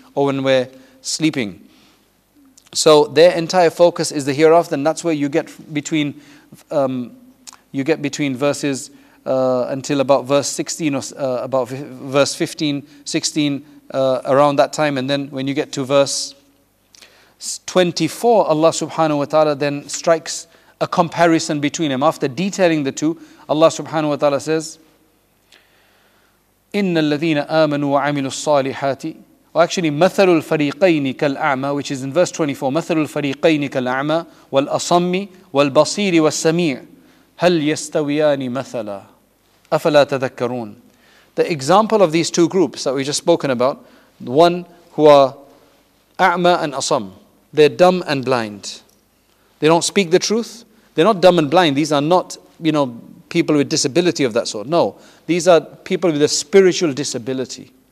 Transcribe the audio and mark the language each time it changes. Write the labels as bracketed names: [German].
[English] or when we're sleeping. So their entire focus is the hereafter, and that's where you get between verses until about verse 16 or about verse 15, 16, around that time. And then when you get to verse 24, Allah subhanahu wa ta'ala then strikes a comparison between them. After detailing the two, Allah subhanahu wa ta'ala says, [Arabic] إِنَّ الَّذِينَ آمَنُوا وَعَمِلُوا الصَّالِحَاتِ وَأَكْشَلِي مَثَلُ الْفَرِيقَيْنِ كَالْأَعْمَى, [English] which is in verse 24, [Arabic] مَثَلُ الْفَرِيقَيْنِ كَالْأَعْمَى وَالْأَصَمِّ وَالْبَصِيرِ وَالسَّمِيعِ هَلْ يَسْتَوِيَانِ مَثَلًا أَفَلَا تَذَكَّرُونَ. [English] The example of these two groups that we just spoken about, one who are أَعْمَى and أَصَمْ, they're dumb and blind. They don't speak the truth. They're not dumb and blind. These are not, you know, people with disability of that sort. No, these are people with a spiritual disability.